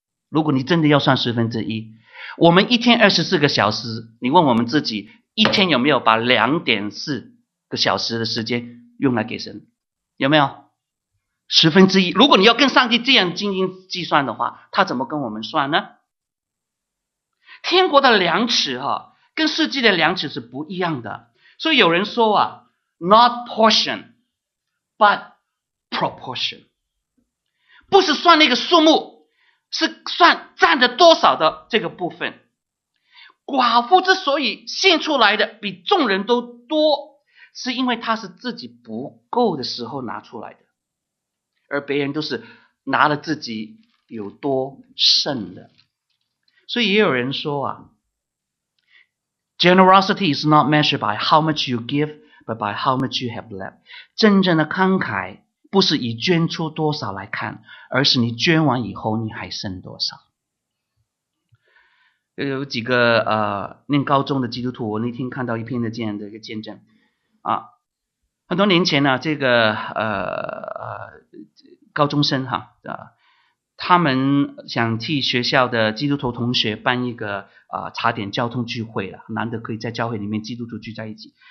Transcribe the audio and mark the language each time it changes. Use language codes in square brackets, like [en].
[zh] 如果你真的要算十分之一，我们一天24个小时，你问我们自己，一天有没有把 2.4 个小时的时间用来给神？有没有？十分之一，如果你要跟上帝这样斤斤计算的话，他怎么跟我们算呢？天国的量尺啊，跟世界的量尺是不一样的。所以有人说啊， [en] not portion, but proportion。 [zh] 不是算那个数目，是算占着多少的这个部分。寡妇之所以献出来的比众人都多，是因为他是自己不够的时候拿出来的。而别人都是拿了自己有多剩的。 [en] 所以也有人说啊， Generosity is not measured by how much you give, but by how much you have left. [zh] 真正的慷慨不是以捐出多少来看，而是你捐完以后你还剩多少。有几个念高中的基督徒，我那天看到一篇的这样的一个见证啊，很多年前呢、啊、这个高中生哈、他们想替学校的基督徒同学办一个茶点交通聚会了，难得可以在教会里面基督徒聚在一起。